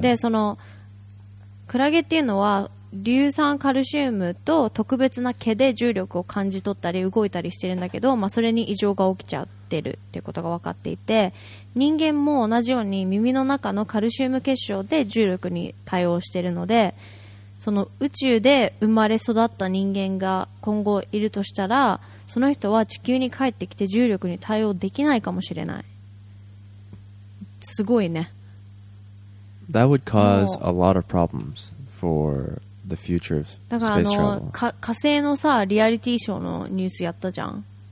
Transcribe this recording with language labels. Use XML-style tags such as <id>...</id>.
<ja>で、そのクラゲっていうのは硫酸カルシウムと特別な毛で重力を感じ取ったり動いたりしてるんだけど、まあ、それに異常が起きちゃってるっていうことが分かっていて、人間も同じように耳の中のカルシウム結晶で重力に対応してるので、その宇宙で生まれ育った人間が今後いるとしたら、その人は地球に帰ってきて重力に対応できないかもしれない。すごいね。</ja> <en>That would cause a lot of problems for the future of space travel.</en> <ja>だからあの火星のさ、リアリティショーのニュースやったじゃん。</ja>